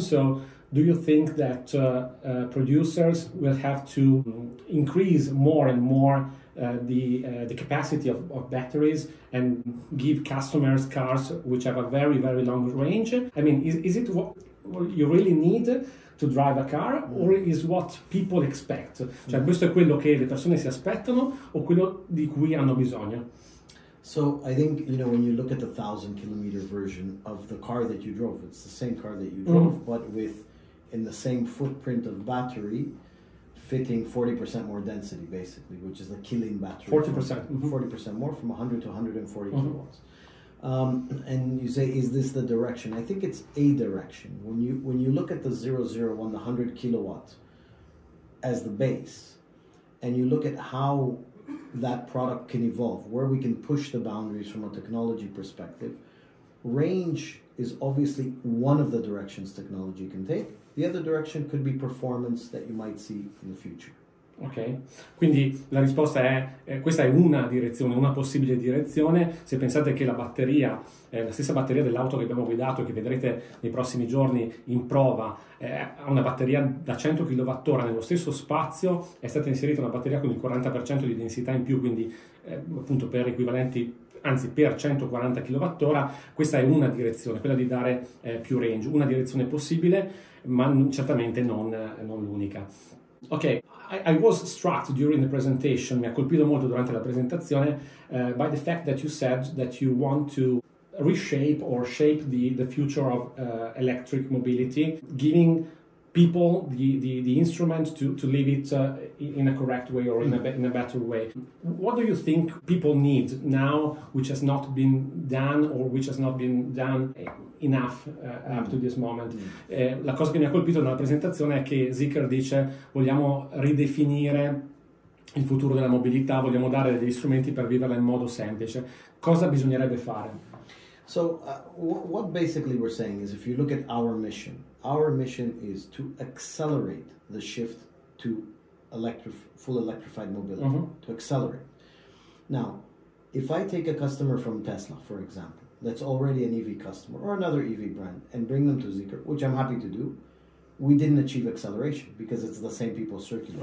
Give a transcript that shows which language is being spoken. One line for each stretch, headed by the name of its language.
English: So do you think that producers will have to increase more and more the capacity of batteries and give customers cars which have a very, very long range? I mean, is it what you really need to drive a car, or is what people expect?
Italian: Cioè, questo è quello che le persone si aspettano o quello di cui hanno bisogno?
English: So I think, you know, when you look at the 1,000 kilometer version of the car that you drove, it's the same car that you drove, but with in the same footprint of battery, fitting 40% more density, basically, which is a killing battery. 40%. 40% more, from 100 to 140 kilowatts. And you say, is this the direction? I think it's a direction. When you look at the 001, the 100 kilowatt as the base, and you look at how that product can evolve, where we can push the boundaries from a technology perspective, range is obviously one of the directions technology can take. The other direction could be performance that you might see in the future.
Italian: Ok, quindi la risposta è, questa è una direzione, una possibile direzione. Se pensate che la batteria, la stessa batteria dell'auto che abbiamo guidato e che vedrete nei prossimi giorni in prova, ha una batteria da 100 kWh, nello stesso spazio è stata inserita una batteria con il 40% di densità in più, quindi appunto per equivalenti, anzi per 140 kWh, questa è una direzione, quella di dare più range, una direzione possibile, ma certamente non l'unica. Ok.
English: I was struck during the presentation,
Italian: mi ha colpito molto durante la presentazione,
English: by the fact that you said that you want to reshape or shape the future of electric mobility, giving people the instrument to live it in a correct way or in a better way. What do you think people need now which has not been done or which has not been done enough up to this moment?
Italian: La cosa che mi ha colpito nella presentazione è che ZEEKR dice vogliamo ridefinire il futuro della mobilità, vogliamo dare degli strumenti per viverla in modo semplice. Cosa bisognerebbe fare?
English: So what basically we're saying is, if you look at our mission is to accelerate the shift to full electrified mobility, to accelerate. Now, if I take a customer from Tesla, for example, that's already an EV customer or another EV brand, and bring them to ZEEKR, which I'm happy to do, we didn't achieve acceleration because it's the same people circulating.